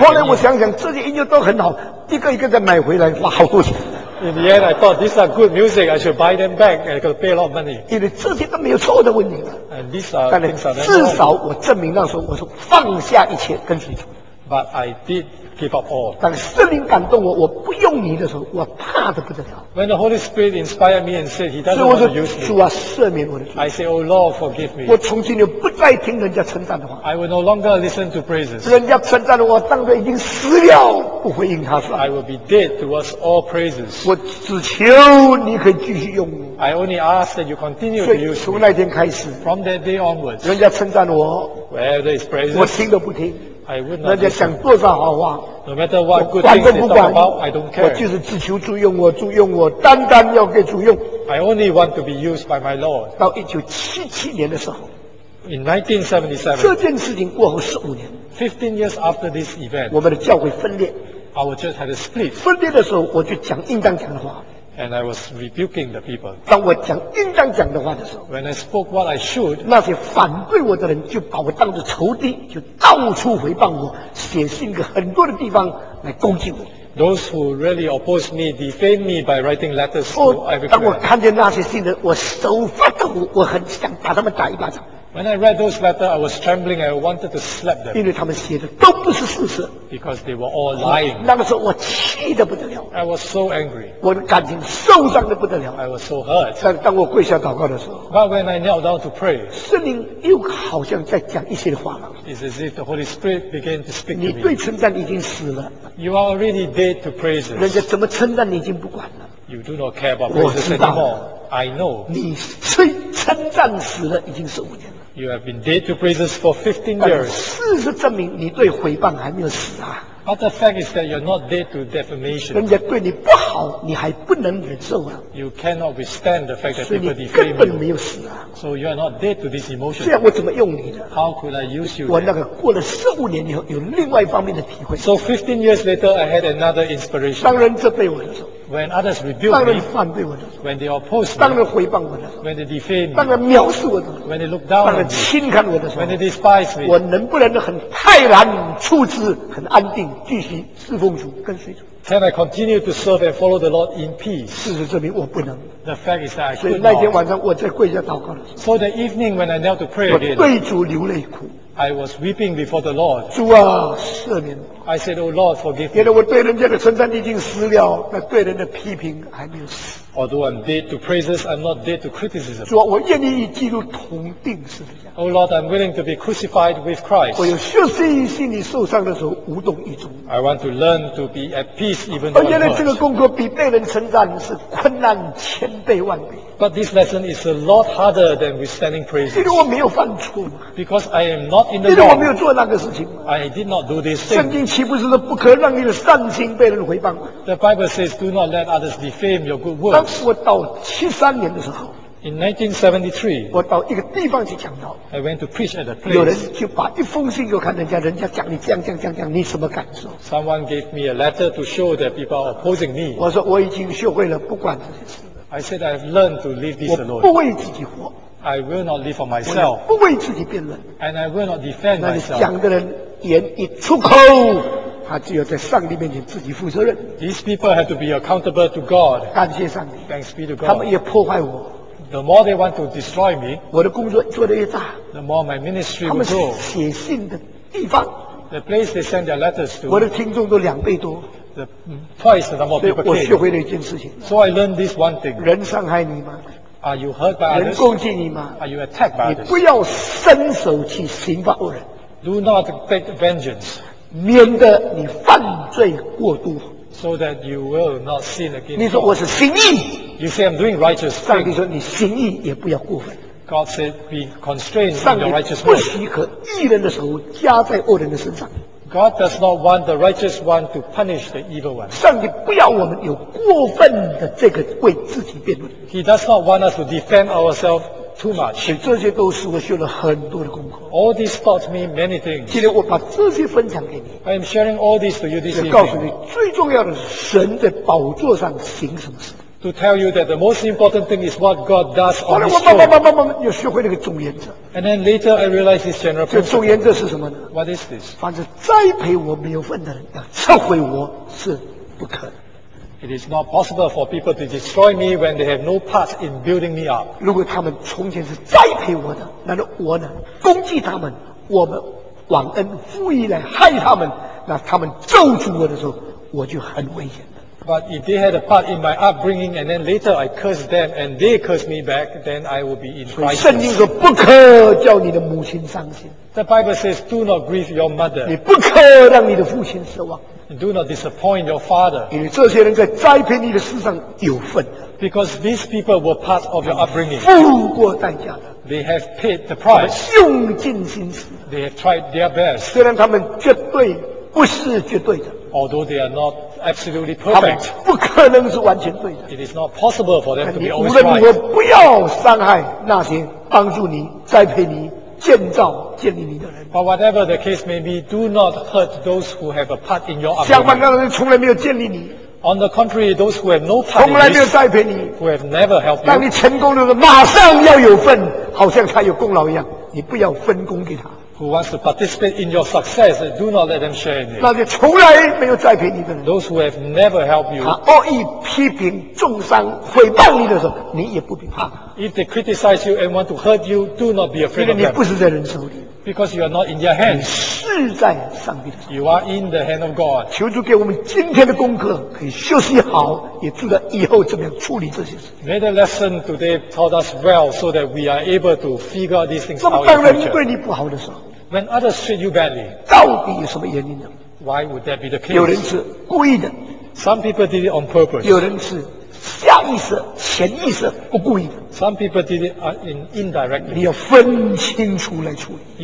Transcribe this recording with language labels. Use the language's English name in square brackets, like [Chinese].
[Chinese] 后来我想想，这些音乐都很好，一个一个再买回来，花好多钱。 [English] In the end, I thought these are good music. I should buy them back. I could pay a lot of money. [Chinese] 因为这些都没有错的问题。 [English] And these are things that. [Chinese] 至少我证明那时候，我说放下一切跟随主。 [English] But I did. Give up all. [Chinese] 当圣灵感动我，我不用你的时候，我怕得不得了。 [English] When the Holy Spirit inspired me and said He doesn't want to use me, [Chinese] 所以我说主啊，赦免我的罪。 [English] I say, Oh Lord, forgive me. [Chinese] 我从今以后不再听人家称赞的话。 [English] I will no longer listen to praises. [Chinese] 人家称赞的话，当作已经死了，不回应他说。 [English] I will be dead towards all praises. [Chinese] 我只求你可以继续用我。 [English] I only ask that you continue to use me. [Chinese] 所以从那天开始 [English] ，From that day onwards, [Chinese] 人家称赞我。 [English] Whether it's praises, [Chinese] 我听都不听。 [English] I would not [Chinese] 人家想多少好话 [English] ，No matter what good things they talk about, I don't care。 [Chinese] 我就是只求主用我，主用我，单单要给主用。 [English] I only want to be used by my Lord。 [Chinese] 到1977年的时候 [English] ，In 1977， [Chinese] 这件事情过后15年 [English] ，15 years after this event， [Chinese] 我们的教会分裂 [English] ，Our church had a split。 [Chinese] 分裂的时候，我就讲应当讲的话。 [English] And I was rebuking the people. [Chinese] 当我讲应当讲的话的时候 [English] ，When I spoke what I should， [Chinese] 那些反对我的人就把我当作仇敌，就到处回报我，写信给很多的地方来攻击我。 [English] Those who really oppose me defame me by writing letters to everyone. [Chinese] 当我看见那些信的，我手发抖，我很想把他们打一巴掌。 [English] When I read those letters, I was trembling. I wanted to slap them. [Chinese] 因为他们写的都不是事实。 [English] Because they were all lying. [Chinese] 那个时候我气得不得了。 [English] I was so angry. [Chinese] 我的感情受伤得不得了。 [English] I was so hurt. [Chinese] 但当我跪下祷告的时候 [English] ，But when I knelt down to pray, [Chinese] 圣灵又好像在讲一些话了。 [English] It's as if the Holy Spirit began to speak to me. [Chinese] 你对称赞已经死了。 [English] You are already dead to praises. [Chinese] 人家怎么称赞你已经不管了。 [English] You do not care about praises anymore. I know. [Chinese] 你虽称赞死了，已经是5年。 [English] You have been dead to praises for 15 years. [Chinese] 事实证明你对毁谤还没有死啊。 [English] But the fact is that you're not dead to defamation. [Chinese] 人家对你不好，你还不能忍受啊。 [English] You cannot withstand the fact that people defame you. [Chinese] 所以你根本没有死啊。 [English] So you are not dead to this emotion. [Chinese] 这样我怎么用你呢 [English] ？How could I use you? [Chinese] 我那个过了15年以后，有另外一方面的体会。 [English] So 15 years later, I had another inspiration. [Chinese] 当人责备我的时候。 [English] When others rebuke me, when they oppose me, [Chinese] 当人毁谤我的 [English] when they defame me, [Chinese] 当人藐视我的 [English] when they look down on me, [Chinese] 当人轻看我的 [English] when they despise me, [Chinese] 我能不能很泰然处之，很安定，继续侍奉主，跟随主？ [English] Can I continue to serve and follow the Lord in peace? [Chinese] 事实证明我不能。 [English] The fact is that I could not. [Chinese] 所以那天晚上我在跪下祷告的时候 [English] So the evening when I knelt to pray again, [Chinese] 我对主流泪哭。 [English] I was weeping before the Lord. [Chinese] 主啊，赦免我。 [English] I said, "Oh Lord, forgive me." [Chinese] 原来我对人家的称赞已经死了，那对人的批评还没有死。 [English] Although I'm dead to praises, I'm not dead to criticism. [Chinese] 主啊，我愿意与基督同钉十字架。 [English] Oh Lord, I'm willing to be crucified with Christ. [Chinese] 我有休息于心里受伤的时候无动于衷。 [English] I want to learn to be at peace even though. [Chinese] 而原来这个功课比被人称赞是困难千倍万倍。 [English] But this lesson is a lot harder than withstanding praises. [Chinese] 因为我没有犯错嘛。 [English] Because I am not in the wrong. [Chinese] 因为我没有做那个事情嘛。 [English] I did not do this thing. [Chinese] 圣经岂不是说不可让你的善行被人毁谤吗 [English] ？The Bible says, "Do not let others defame your good works." [Chinese] 当时我到73年的时候 [English] ，In 1973, [Chinese] 我到一个地方去讲道。 [English] I went to preach at a place. [Chinese] 有人就把一封信给我看，人家讲你这样，你什么感受 [English] ？Someone gave me a letter to show that people are opposing me. [Chinese] 我说我已经学会了，不管这些事。 [English] I said I've learned to live this alone. [Chinese] 我不为自己活。 [English] I will not live for myself. [Chinese] 不为自己辩论。 [English] And I will not defend myself. [Chinese] 那你讲的人言一出口，他只有在上帝面前自己负责任。 [English] These people have to be accountable to God. [Chinese] 感谢上帝。 [English] Thanks be to God. [Chinese] 他们也破坏我。 [English] The more they want to destroy me. [Chinese] 我的工作做得越大。 [English] The more my ministry will grow. [Chinese] 他们写信的地方。 [English] The place they send their letters to. [Chinese] 我的听众都2倍多。 [English] Twice the number of people came. [Chinese] 所以我学会了一件事情。 [English] So I learned this one thing. [Chinese] 人伤害你吗？ [English] Are you hurt by others? [Chinese] 人攻击你吗？ [English] Are you attacked by others? [Chinese] 你不要伸手去刑罚人。 [English] Do not take vengeance. [Chinese] 免得你犯罪过度。 [English] So that you will not sin again. [Chinese] 你说我是行义。 [English] You say I'm doing righteous things. [Chinese] 上帝说你行义也不要过分。 [English] God said be constrained in your righteousness. [Chinese] 上帝不许可义人的仇加在恶人的身上。 [English] God does not want the righteous one to punish the evil one. [Chinese] 上帝不要我们有过分的这个为自己辩论。 [English] He does not want us to defend ourselves too much. [Chinese] 这些都是我学了很多的功课。 [English] All this taught me many things. [Chinese] 今天我把这些分享给你。 [English] I am sharing all this to you this evening. [Chinese] 告诉你最重要的是神在宝座上行什么事。 [English] To tell you that the most important thing is what God does on His throne. [Chinese] 后来我慢慢又学会那个总原则。 [English] And then later I realized this general principle. [Chinese] 这总原则是什么呢 [English] ？What is this? [Chinese] 凡是栽培我没有份的人，要撤回我是不可能。 [English] It is not possible for people to destroy me when they have no part in building me up. [Chinese] 如果他们从前是栽培我的，难道我呢攻击他们？我们忘恩负义来害他们，那他们咒诅我的时候，我就很危险。 [English] But if they had a part in my upbringing and then later I curse them and they curse me back, then I will be in crisis. [Chinese] 圣经说不可叫你的母亲伤心。 [English] The Bible says, do not grieve your mother. [Chinese] 你不可让你的父亲失望。 [English] Do not disappoint your father. [Chinese] 因为这些人在栽培你的世上有份。 [English] Because these people were part of your upbringing. [Chinese] 付过代价的。 [English] They have paid the price. [Chinese] 他们用尽心思。 [English] They have tried their best. [Chinese] 虽然他们绝对不是绝对的。 [English] Although they are not absolutely perfect, [Chinese] 不可能是完全对的。 [English] It is not possible for them to be always right. [Chinese] 无论如何，不要伤害那些帮助你、栽培你、建造、建立你的人。 [English] But whatever the case may be, do not hurt those who have a part in your upbringing. [Chinese] 相反，那些人从来没有建立你。 [English] On the contrary, those who have no part, [Chinese] 从来没有栽培你， [English] who have never helped you. [Chinese] 当你成功的时候，马上要有份，好像他有功劳一样，你不要分工给他。 [English] Who wants to participate in your success, do not let them share in it. [Chinese] 那些从来没有栽培你的人， [English] those who have never helped you, [Chinese] 他恶意批评、重伤、诽谤你的时候，你也不必怕。 [English] If they criticize you and want to hurt you, do not be afraid of them. [Chinese] 因为你不是在人手里。 [English] Because you are not in their hands. [Chinese] 你是在上帝的手里。 [English] You are in the hand of God. [Chinese] 求主给我们今天的功课可以休息好，也知道以后怎么样处理这些事。 [English] May the lesson today taught us well so that we are able to figure out these things out. [Chinese] 那么当人对你不好的时候， [English] when others treat you badly, [Chinese] 到底有什么原因呢？ [English] Why would that be the case? [Chinese] 有人是故意的。 [English] Some people did it on purpose. [Chinese] 有人是下意识、潜意识、不故意的。 [English] Some people did it indirectly. [Chinese] 你要分清楚来处理。